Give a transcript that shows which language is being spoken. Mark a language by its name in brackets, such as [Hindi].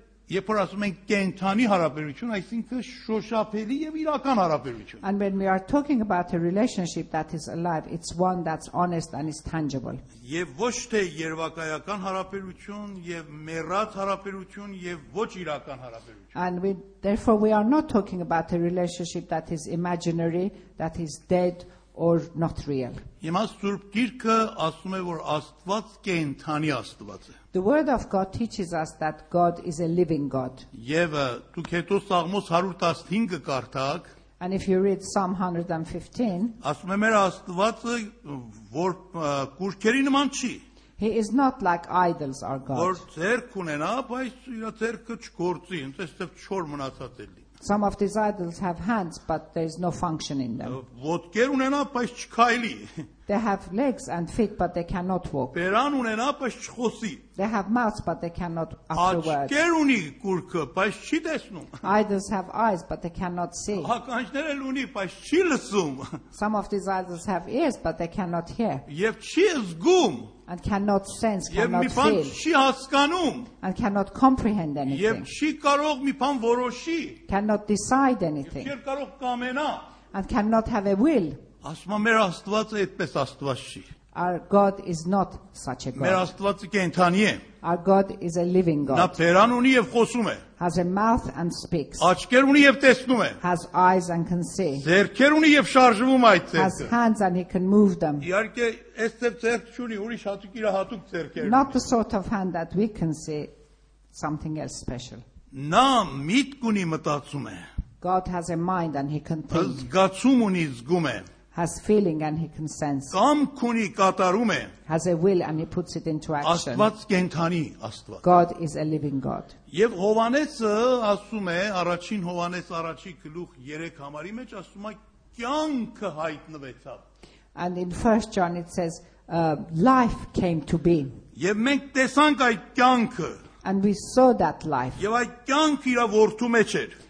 [Armenian] Երբ որ ասում ենք կենթանի հարաբերություն, այսինքն շոշափելի եւ իրական հարաբերություն. [English] And when we are talking about a relationship that is alive, it's one that's honest and is tangible. [Armenian] Եվ ոչ թե երվակայական հարաբերություն եւ մեռած հարաբերություն եւ ոչ իրական հարաբերություն. [English] And we, therefore we are not talking about a relationship that is imaginary, that is dead or not real. [Armenian] Հիմա Սուրբ Գիրքը ասում է, որ Աստված կենթանի Աստված է. [English] The word of God teaches us that God is a living God. [Armenian] Եվը դուք հետո Սաղմոս 115-ը կարդաք. [English] And if you read Psalm 115, [Armenian] ասում է մեր Աստվածը, որ կուրքերի նման չի. [English] He is not like idols our God. [Armenian] Որ ձերք ունենա, բայց իր ձերքը չգործի, այնպես թե չոր մնացած է լինի. [English] Some of these idols have hands, but there is no function in them. [Armenian] Ոտքեր ունենա, բայց չքայլի. [English] They have legs and feet, but they cannot walk. [Armenian] Բերան ունենա, բայց չխոսի. [English] They have mouths, but they cannot utter words. [Armenian] Աչքեր ունի կուրքը, բայց չի տեսնում. [English] Idols have eyes, but they cannot see. [Armenian] Ականջներ էլ ունի, բայց չի լսում. [English] Some of these idols have ears, but they cannot hear. [Armenian] Եվ չի զգում. [English] And cannot sense, cannot feel. [Armenian] Եվ մի բան չի հասկանում. [English] And cannot comprehend anything. [Armenian] Եվ չի կարող մի բան որոշի. [English] Cannot decide anything. [Armenian] Եվ չի կարող կամենա. [English] And cannot have a will. [Armenian] Ասում եմ, մեր Աստվածը այդպես Աստված չի. [English] Our God is not such a God. [Armenian] Մեր Աստվածը կենթանի է. [English] Our God is a living God. [Armenian] Նա բերան ունի եւ խոսում է. [English] Has a mouth and speaks. [Armenian] Աչքեր ունի եւ տեսնում է. [English] Has eyes and can see. [Armenian] Ձեռքեր ունի եւ շարժվում այդ ձեռքը. [English] Has hands and he can move them. [Armenian] Իհարկե, այս ձեռք չունի, ուրիշ հատուկ իր հատուկ ձեռքեր ունի. [English] Not the sort of hand that we can see something else special. [Armenian] Նա միտք ունի, մտածում է. [English] God has a mind and he can think. [Armenian] Զգացում ունի, զգում է. [English] Has feeling and he can sense. [Armenian] Կամք ունի, կատարում է. [English] Has a will and he puts it into action. [Armenian] Աստված կենթանի Աստված. [English] God is a living God. [Armenian] Եվ Հովանեսը ասում է, առաջին Հովանես առաջի գլուխ 3 համարի մեջ ասում է, կյանքը հայտնվեցավ. [English] And in 1 John it says, life came to be. [Armenian] Եվ մենք տեսանք այդ կյանքը. [English] And we saw that life. [Armenian] Եվ այդ կյանքը իր որդու մեջ էր.